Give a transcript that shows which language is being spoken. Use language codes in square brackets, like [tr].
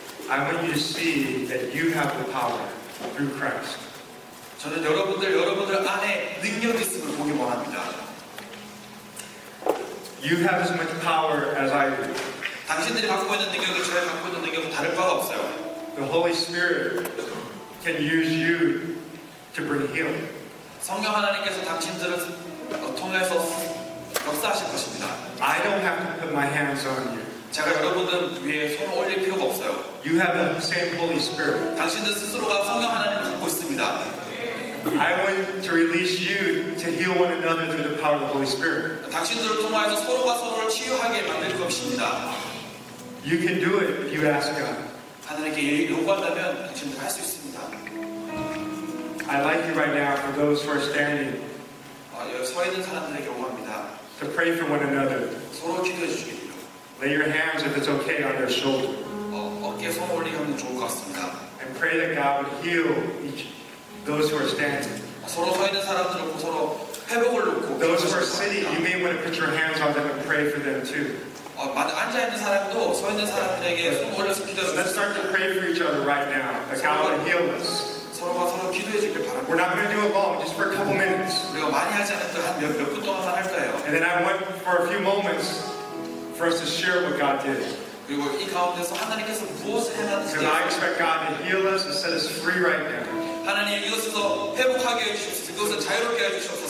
[en] I want you to see that you have the power through Christ. [ko] 저는 여러분들 안에 능력 있음을 보기 원합니다. [en] You have as much power as I do. [ko] 당신들이 갖고 있는 능력을 저에 갖고 있는 능력은 다를 바가 없어요. [en] The Holy Spirit can use you to bring healing. [ko] 성령 하나님께서 당신들을 통해서 역사하실 것입니다. [en] I don't have to put my hands on you. [ko] 제가 여러분들 위에 손을 올릴 필요가 없어요. [en] You have the same Holy Spirit. [ko] 당신들 스스로가 성령 하나님을 갖고 있습니다. [en] I want to release you to heal one another through the power of the Holy Spirit. [ko] 당신들을 통해서 서로가 서로를 치유하게 만들 것입니다. [en] You can do it if you ask God. [ko] 하나님께 요구한다면 당신들 할 수 있습니다. [en] I like you right now for those who are standing. [ko] 서 있는 사람들에게 요구합니다. [en] To pray for one another. [ko] 서로 기도해 주십시오. [en] Lay your hands, if it's okay, on their shoulder. [ko] 어깨 손 올리면 좋을 것 같습니다. [en] And pray that God would heal each. Those who are standing. [ko] 서로 서 있는 사람들을 보고 서로 회복을 놓고. [en] Those who are sitting, you may want to put your hands on them and pray for them too. [ko] 앉아 있는 사람도 서 있는 사람들에게 손 올려서 기도해 주세요. [en] Let's start to pray for each other right now. That God would heal us. [ko] 서로가 서로 기도해 주길 바랍니다. [en] We're not going to do it long, just for a couple minutes. [ko] 우리가 많이 하지 않아도 한 몇 분 동안 할 거예요. [en] And then I went for a few moments for us to share what God did. [ko] 그리고 이 가운데서 하나님께서 무엇을 행하는지. [en] Because I expect God to heal us and set us free right now. [ko] 하나님 이곳에서 회복하게 해주셔서 이곳에서 자유롭게 해주셔서.